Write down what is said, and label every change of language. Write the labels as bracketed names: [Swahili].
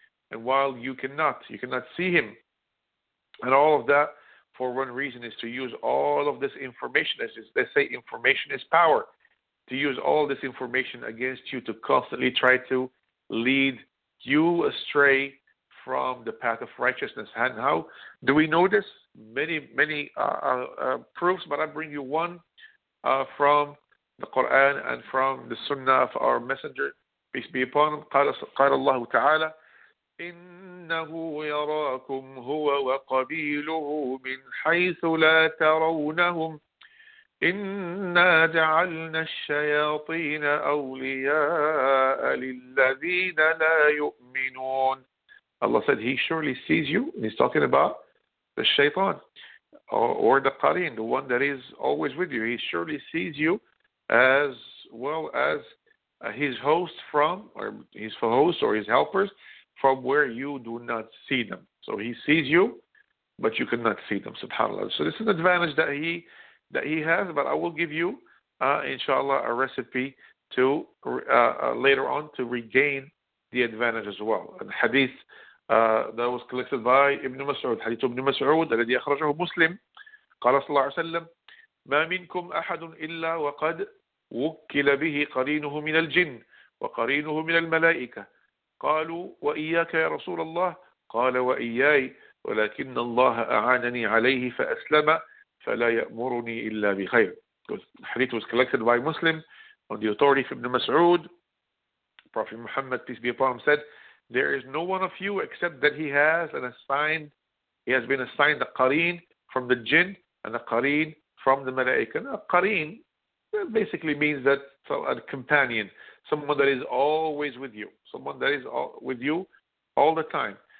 [English] And while you cannot see him, and all of that for one reason is to use all of this information, as they say, information is power, to use all this information against you to constantly try to lead you astray from the path of righteousness. And how do we know this? Many proofs, but I bring you one from the Quran and from the Sunnah of our Messenger, peace be upon him. [Arabic] قال الله تعالى إنه يراكم هو وقبيله من حيث لا ترونهم إنا جعلنا الشياطين أولياء للذين لا يؤمنون. [English] Allah said, He surely sees you. And He's talking about the shaitan or the qareen, the one that is always with you. He surely sees you as well as his host from, or his host or his helpers, from where you do not see them. So he sees you, but you cannot see them, subhanAllah. So this is an advantage that he has, but I will give you, inshallah, a recipe to later on to regain the advantage as well. And hadith that was collected by Ibn Mas'ud. [Arabic] Hadith Ibn Mas'ud, الذي أخرجه مسلم, قال صلى الله عليه وسلم, ما منكم أحد إلا وقد وكل به قرينه من الجن وقرينه من الملائكة. قالوا وإياك يا رسول الله. قال وإياي ولكن الله أعانني عليه فأسلم فلا يأمرني إلا بخير. [English] Hadith was collected by Muslim on the authority of Ibn Mas'ud. Prophet Muhammad, peace be upon him, said, There is no one of you except that he has an assigned, he has been assigned a qareen from the jinn and a qareen from the malaika. A qareen basically means that a companion, someone that is always with you, someone that is with you all the time.